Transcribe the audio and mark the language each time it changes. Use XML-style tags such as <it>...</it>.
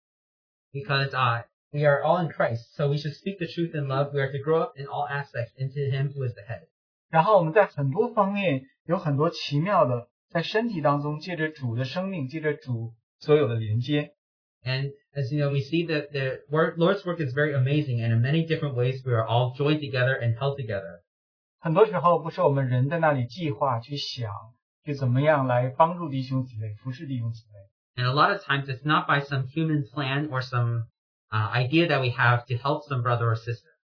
<en>we are all in Christ, so we should speak the truth in love. We are to grow up in all aspects into Him who is the head.</en> <zh>然后我们在很多方面有很多奇妙的，在身体当中借着主的生命，借着主所有的连接。</zh> <en>And as you know, we see that the Lord's work is very amazing, and in many different ways, we are all joined together and held together.</en> <zh>很多时候不是我们人在那里计划去想，去怎么样来帮助弟兄姊妹，服侍弟兄姊妹。</zh> <en>And a lot of times, it's not by some human plan or some idea that we have to help some brother or sister.</en>